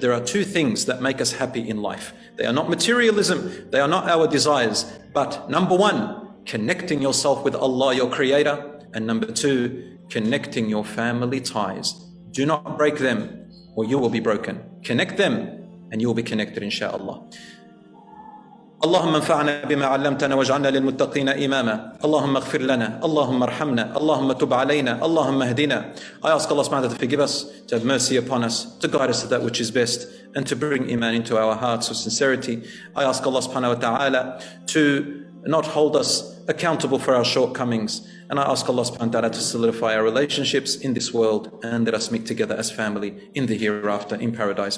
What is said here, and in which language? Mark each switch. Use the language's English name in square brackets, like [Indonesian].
[English] There are two things that make us happy in life. They are not materialism. They are not our desires. But number one, connecting yourself with Allah, your creator. And number two, connecting your family ties. Do not break them or you will be broken. Connect them and you will be connected, inshallah. [Arabic] اللهم انفعنا بما علمتنا واجعلنا للمتقين إماما اللهم اغفر لنا اللهم ارحمنا اللهم تب علينا اللهم اهدنا. [English] I ask Allah subhanahu wa ta'ala to forgive us, to have mercy upon us, to guide us to that which is best, and to bring iman into our hearts with sincerity. I ask Allah subhanahu wa ta'ala to not hold us accountable for our shortcomings. And I ask Allah subhanahu wa ta'ala to solidify our relationships in this world and let us meet together as family in the hereafter in paradise.